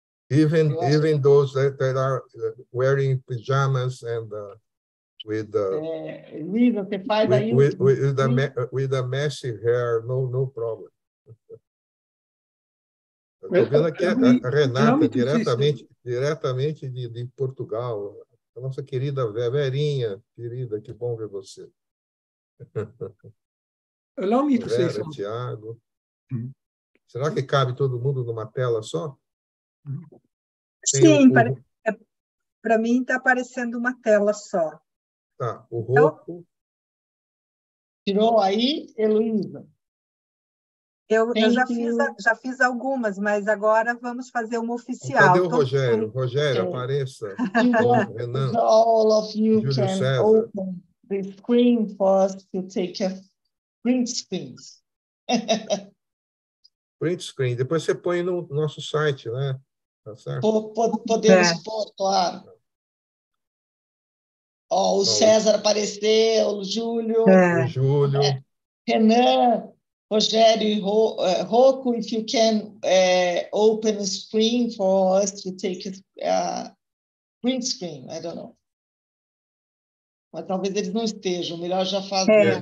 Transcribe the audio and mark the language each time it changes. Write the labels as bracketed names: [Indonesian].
[English] even those that are wearing pijamas and with the messy hair, no problem. [Portuguese] Estou vendo aqui a Renata, diretamente de Portugal. A nossa querida Verinha, querida, que bom ver você. [English] Allow me to say something. [Portuguese] Será que cabe todo mundo numa tela só? Sim, para mim está aparecendo uma tela só. Tá, o Rocco. Tirou aí, Heloísa. Eu já fiz algumas, mas agora vamos fazer uma oficial. Cadê o Rogério? Rogério, apareça. [English] Bom, Renan. All of you Júlio can César. Open the screen for us to take a print screen. [Portuguese] Print screen. Depois você põe no nosso site, né? Tá certo? Podemos pôr, claro. Oh, o César apareceu, o Júlio. O Júlio. Renan. [English] Rogério, Rocco, if you can open a screen for us to take a print screen, I don't know. [Portuguese] Mas talvez eles não estejam, melhor já fazer.